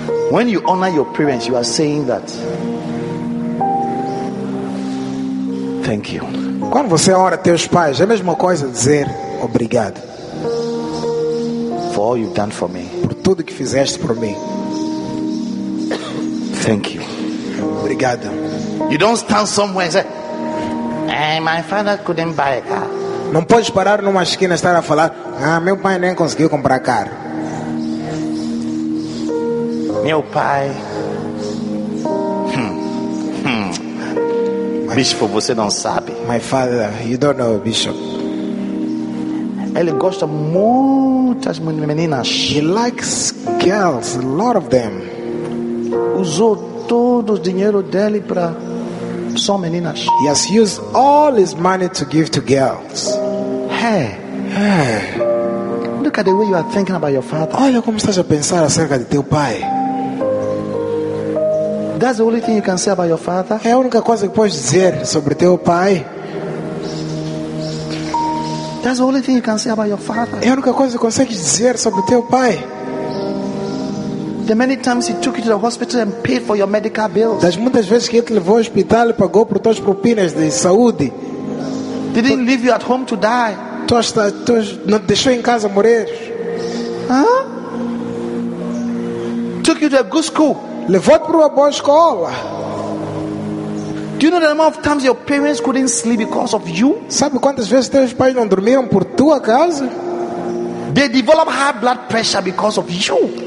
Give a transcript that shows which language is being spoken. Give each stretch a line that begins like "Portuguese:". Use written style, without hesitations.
English: When you honor your parents, you are saying that. Thank you.
Portuguese: Quando você honra teus pais, é a mesma coisa dizer obrigado.
English: For all you've done for me.
Portuguese: Por tudo que fizeste por mim.
English: Thank you.
Portuguese: Obrigado.
English: You don't stand somewhere and say, hey, my father couldn't buy a car.
Portuguese: Não podes parar numa esquina e estar a falar, ah, meu pai nem conseguiu comprar carro. Meu pai. Bispo, você não sabe.
English: My father, you don't know, Bishop.
Portuguese: Ele gosta muitas meninas.
English: He likes girls, a lot of them.
Portuguese: Usou todo o dinheiro dele para só meninas.
English: He has used all his money to give to girls. Hey. Hey. Look Look at the way you are thinking about your father.
Portuguese: Olha como estás a pensar acerca de teu pai.
English: That's the only thing you can say about your father.
Portuguese: É a única coisa que podes dizer sobre teu pai.
English: That's the only thing you can say about your father.
Portuguese: É a única coisa que consegues dizer sobre teu pai.
English: The many times he took you to the hospital and paid for your medical bills.
Portuguese: Das muitas vezes que ele te levou ao hospital e pagou por tuas propinas de saúde.
English: Didn't leave you at home to die.
Portuguese: Não deixou em casa morrer.
English: Took you to a good school.
Portuguese: Levou-te para uma boa escola.
English: Do you know the number of times your parents couldn't sleep because of you?
Portuguese: Sabe quantas vezes teus pais não dormiram por tua causa?
English: They develop high blood pressure because of you.